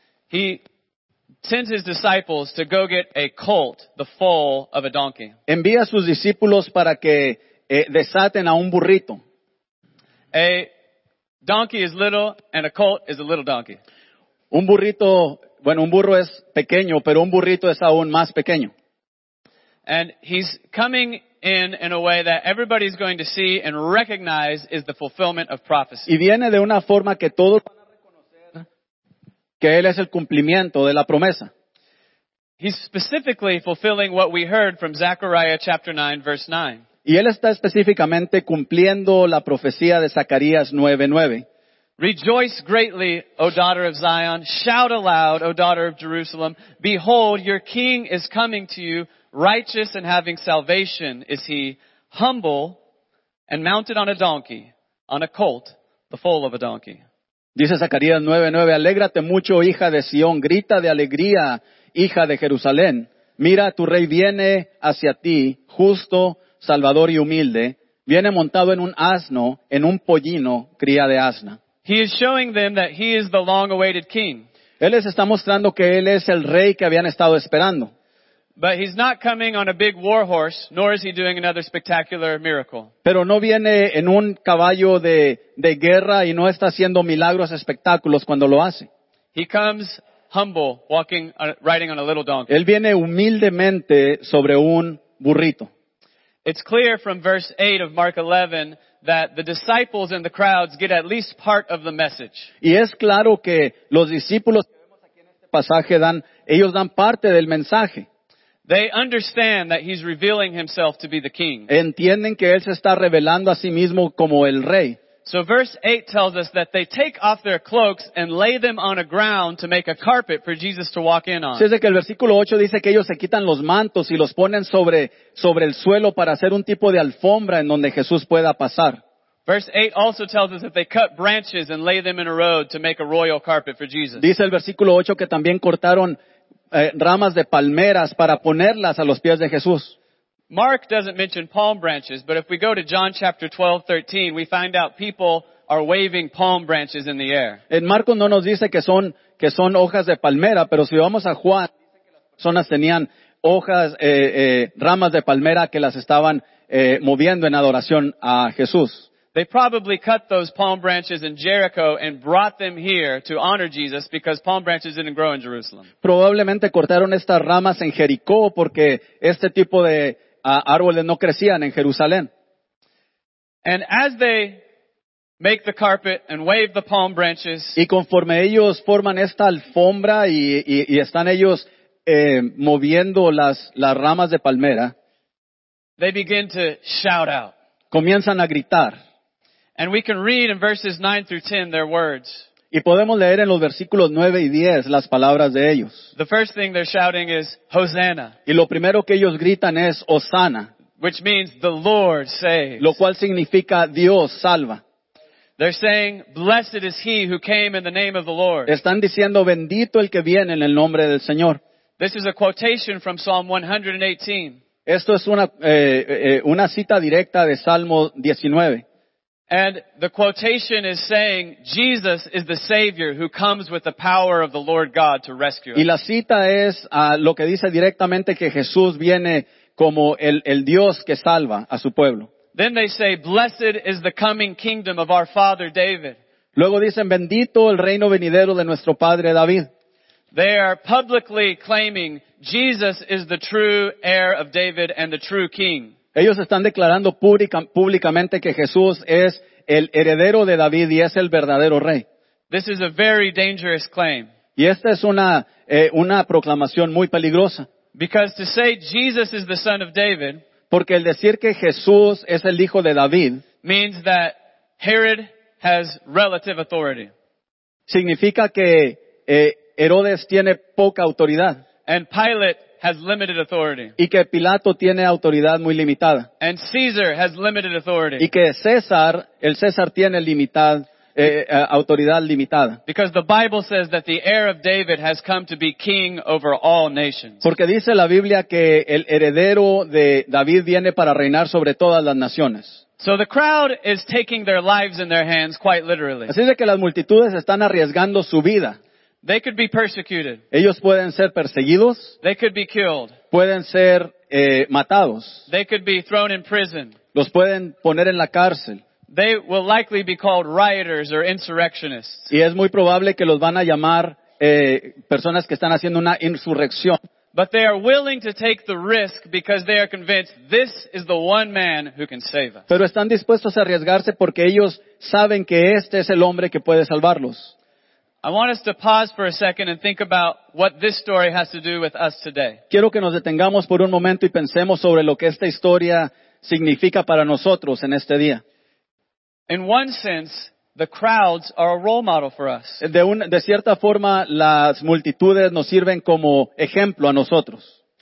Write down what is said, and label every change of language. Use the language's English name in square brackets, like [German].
[English] He sends his disciples to go get a colt, the foal of a donkey. [Spanish] Envía a sus discípulos para que desaten a un burrito. [English] A donkey is little and a colt is a little donkey. [Spanish] Un burrito, bueno, un burro es pequeño, pero un burrito es aún más pequeño. [English] And he's coming in a way that everybody's going to see and recognize is the fulfillment of prophecy. [Spanish] Y viene de una forma que todos van a reconocer que él es el cumplimiento de la promesa. [English] He's specifically fulfilling what we heard from Zechariah chapter 9 verse 9. [Spanish] Y él está específicamente cumpliendo la profecía de Zacarías 9:9. [English] Rejoice greatly, O daughter of Zion, shout aloud, O daughter of Jerusalem, behold, your king is coming to you. Righteous and having salvation is he, humble and mounted on a donkey, on a colt, the foal of a donkey. [Spanish] Dice Zacarías 9:9, alégrate mucho, hija de Sion, grita de alegría, hija de Jerusalén. Mira, tu rey viene hacia ti, justo, salvador y humilde. Viene montado en un asno, en un pollino, cría de asna. [English] He is showing them that he is the long-awaited king. [Spanish] Él les está mostrando que él es el rey que habían estado esperando. [English] But he's not coming on a big war horse, nor is he doing another spectacular miracle. [Spanish] Pero no viene en un caballo de guerra y no está haciendo milagros espectáculos cuando lo hace. [English] He comes humble, walking, riding on a little donkey. [Spanish] Él viene humildemente sobre un burrito. [English] It's clear from verse 8 of Mark 11 that the disciples and the crowds get at least part of the message. [Spanish] Y es claro que los discípulos que vemos aquí en este pasaje dan parte del mensaje. [English] They understand that he's revealing himself to be the king. [Spanish] Entienden que él se está revelando a sí mismo como el rey. [English] So verse 8 tells us that they take off their cloaks and lay them on a ground to make a carpet for Jesus to walk in on. [Spanish] Se dice que el versículo 8 dice que ellos se quitan los mantos y los ponen sobre el suelo para hacer un tipo de alfombra en donde Jesús pueda pasar. [English] Verse 8 also tells us that they cut branches and lay them in a road to make a royal carpet for Jesus. [Spanish] Dice el versículo 8 que también cortaron ramas de palmeras para ponerlas a los pies de Jesús. [English] Mark doesn't mention palm branches, but if we go to John chapter 12:13, we find out people are waving palm branches in the air. [Spanish] En Marcos no nos dice que son hojas de palmera, pero si vamos a Juan, dice que las personas tenían hojas, ramas de palmera que las estaban moviendo en adoración a Jesús. [English] They probably cut those palm branches in Jericho and brought them here to honor Jesus because palm branches didn't grow in Jerusalem. [Spanish] Probablemente cortaron estas ramas en Jericó porque este tipo de árboles no crecían en Jerusalén. [English] And as they make the carpet and wave the palm branches, [Spanish] y conforme ellos forman esta alfombra y están ellos moviendo las ramas de palmera, [English] they begin to shout out. [Spanish] Comienzan a gritar. [English] And we can read in verses 9 through 10 their words. [Spanish] Y podemos leer en los versículos 9 y 10 las palabras de ellos. [English] The first thing they're shouting is Hosanna. [Spanish] Y lo primero que ellos gritan es Hosanna, [English] which means the Lord saves. [Spanish] Lo cual significa Dios salva. [English] They're saying, blessed is he who came in the name of the Lord. [Spanish] Están diciendo bendito el que viene en el nombre del Señor. [English] This is a quotation from Psalm 118. [Spanish] Esto es una cita directa de Salmo 19. [English] And the quotation is saying, Jesus is the Savior who comes with the power of the Lord God to rescue us. [Spanish] Y la cita es lo que dice directamente que Jesús viene como el Dios que salva a su pueblo. [English] Then they say, blessed is the coming kingdom of our father David. [Spanish] Luego dicen, bendito el reino venidero de nuestro padre David. [English] They are publicly claiming Jesus is the true heir of David and the true king. [Spanish] Ellos están declarando públicamente que Jesús es el heredero de David y es el verdadero rey. [English] This is a very dangerous claim. [Spanish] Y esta es una proclamación muy peligrosa. [English] Because to say Jesus is the son of David, [Spanish] porque el decir que Jesús es el hijo de David, [English] means that Herod has relative authority. [Spanish] Significa que Herodes tiene poca autoridad. [English] And Pilate has limited authority. [Spanish] Y que Pilato tiene autoridad muy limitada. [English] And Caesar has limited authority. [Spanish] Y que César, el César tiene autoridad limitada. [English] Because the Bible says that the heir of David has come to be king over all nations. [Spanish] Porque dice la Biblia que el heredero de David viene para reinar sobre todas las naciones. [English] So the crowd is taking their lives in their hands quite literally. [Spanish] Así de que las multitudes están arriesgando su vida. [English] They could be persecuted. [Spanish] Ellos pueden ser perseguidos. [English] They could be killed. [Spanish] Pueden ser matados. [English] They could be thrown in prison. [Spanish] Los pueden poner en la cárcel. [English] They will likely be called rioters or insurrectionists. [Spanish] Y es muy probable que los van a llamar personas que están haciendo una insurrección. [English] But they are willing to take the risk because they are convinced this is the one man who can save us. [Spanish] Pero están dispuestos a arriesgarse porque ellos saben que este es el hombre que puede salvarlos. [English] I want us to pause for a second and think about what this story has to do with us today. [Spanish] Quiero que nos detengamos por un momento y pensemos sobre lo que esta historia significa para nosotros en este día. [English] In one sense, the crowds are a role model for us. [Spanish] De cierta forma, las multitudes nos sirven como ejemplo a nosotros.